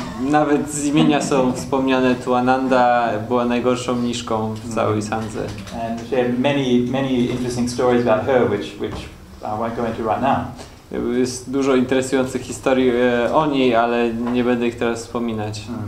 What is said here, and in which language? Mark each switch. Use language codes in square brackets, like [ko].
[pl] Nawet z imienia są wspomniane, Tulananda była najgorszą mniszką w całej Sandze. [en] And she had many interesting stories about her, which I won't go into right now. [pl] Jest dużo interesujących historii o niej, ale nie będę ich teraz wspominać.